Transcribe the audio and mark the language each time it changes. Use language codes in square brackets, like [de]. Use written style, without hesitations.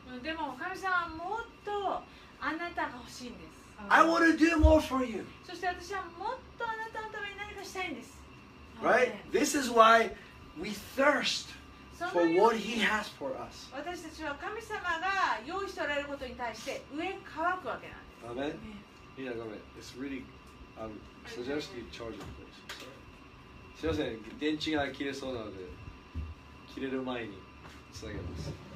[ja] でも神様はもっとあなたが欲しいんです。 [en] I want to do more for you. [ja] そして私はもっとあなたのために何かしたいんです。 [en] Right? This is why we thirst for what He has for us. [ja] 私たちは神様が用意しておられることに対して上乾くわけなんです。 [en] Amen. Yeah, go ahead. It's really, suggest you charge it, please. [ja] すいません、電池が切れそうなので切れる前につなげます。